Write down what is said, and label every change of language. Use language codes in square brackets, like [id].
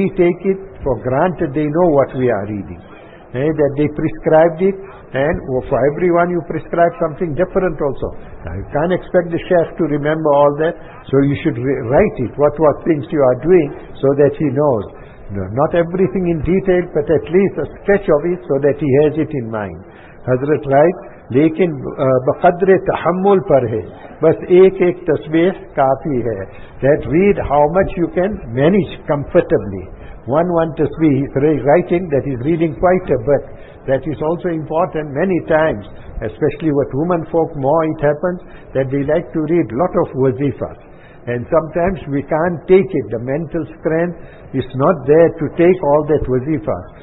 [en] We take it for granted they know what we are reading. That they prescribed it, and for everyone you prescribe something different also. Now you can't expect the chef to remember all that, so you should write it, what things you are doing, so that he knows. Not everything in detail, but at least a sketch of it, so that he has it in mind. Hazrat writes, [ur] لیکن بقدر تحمل پر ہے بس ایک ایک تسبیح کافی ہے. [en] That read how much you can manage comfortably. One tasbih, he's writing that he's reading quite a bit. That is also important many times, especially with women folk, more it happens that they like to read lot of wazifas. And sometimes we can't take it, the mental strength is not there to take all that wazifas.